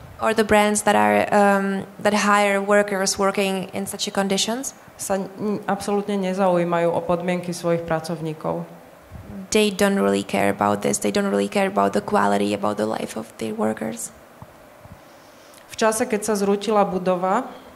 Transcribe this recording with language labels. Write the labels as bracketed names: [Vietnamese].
[English] or the brands that are that hire workers working in such conditions, [Slovak] sa absolútne nezaujímajú o podmienky svojich pracovníkov. [English] They don't really care about this. They don't really care about the quality, about the life of their workers. [Slovak] V čase, keď sa zrútila budova,